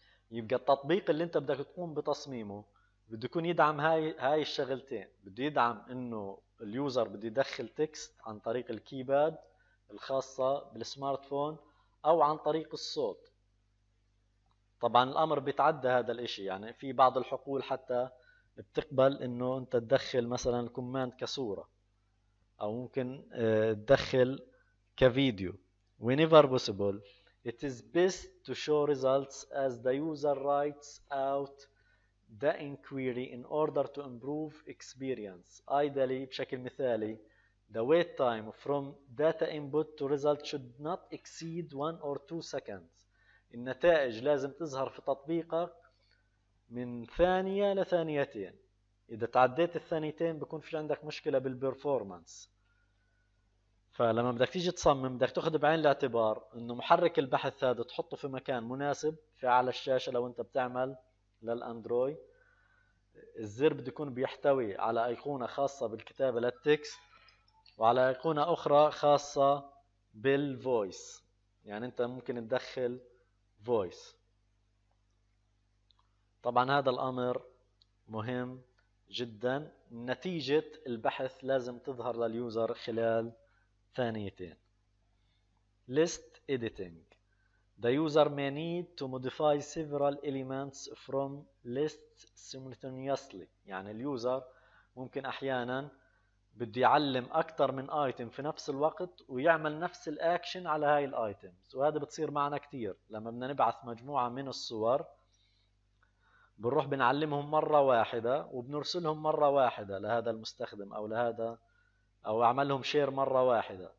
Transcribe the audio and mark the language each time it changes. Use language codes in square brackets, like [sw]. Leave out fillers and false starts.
[ar] يبقى التطبيق اللي انت بدك تقوم بتصميمه بده يكون يدعم هاي الشغلتين، بده يدعم انه اليوزر بده يدخل تكست عن طريق الكيباد الخاصه بالسمارت فون او عن طريق الصوت. طبعا الامر بيتعدى هذا الاشي، يعني في بعض الحقول حتى بتقبل انه انت تدخل مثلا الكوماند كصورة او ممكن تدخل كفيديو. [en] Whenever possible it is best to show results as the user writes out the inquiry in order to improve experience. Ideally [ar] بشكل مثالي [en] the wait time from data input to result should not exceed 1 or 2 seconds. [ar] النتائج لازم تظهر في تطبيقك من ثانية لثانيتين، إذا تعديت الثانيتين بكون في عندك مشكلة بالبرفورمانس. فلما بدك تيجي تصمم بدك تاخذ بعين الاعتبار انه محرك البحث هذا تحطه في مكان مناسب في على الشاشة. لو انت بتعمل للاندرويد الزر بده يكون بيحتوي على ايقونة خاصة بالكتابة للتكست وعلى ايقونة اخرى خاصة بالفويس، يعني انت ممكن تدخل فويس. طبعا هذا الامر مهم جدا، نتيجة البحث لازم تظهر لليوزر خلال ثانيتين. [en] List editing. The user may need to modify several elements from list simultaneously. [ar] يعني اليوزر ممكن احيانا بده يعلم اكثر من item في نفس الوقت ويعمل نفس الاكشن على هاي الايتيمز، وهذا بتصير معنا كثير. لما بدنا نبعث مجموعة من الصور بنروح بنعلمهم مرة واحدة وبنرسلهم مرة واحدة لهذا المستخدم او لهذا او اعملهم شير مرة واحدة.